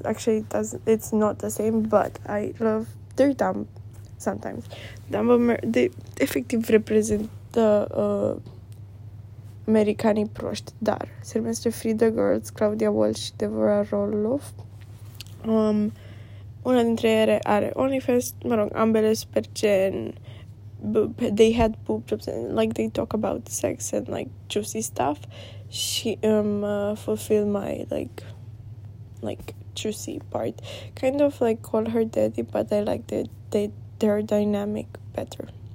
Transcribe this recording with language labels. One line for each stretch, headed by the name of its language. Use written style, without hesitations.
English: Actually, it's not the same, but I love, they're dumb sometimes.
Romanian: Dumb, they efectiv reprezintă americanii proști, dar se numește Free the Girls, Claudia Walsh și Deborah Roloff. Una dintre ele are OnlyFans, mă rog, ambele super gen,
English: they had boob jobs and like they talk about sex and like juicy stuff. She fulfill my like juicy part, kind of like call her daddy, but I like their dynamic better.